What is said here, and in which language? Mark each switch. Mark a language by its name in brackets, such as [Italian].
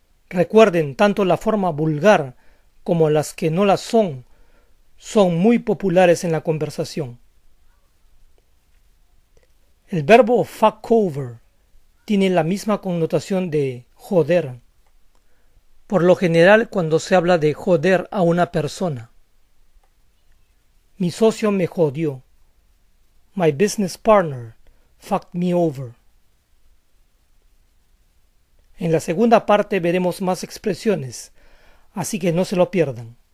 [Spanish] Recuerden, tanto la forma vulgar como las que no las son, son muy populares en la conversación. El verbo fuck over tiene la misma connotación de joder. Por lo general, cuando se habla de joder a una persona. Mi socio me jodió. [English] My business partner fucked me over. [Spanish] En la segunda parte veremos más expresiones, así que no se lo pierdan.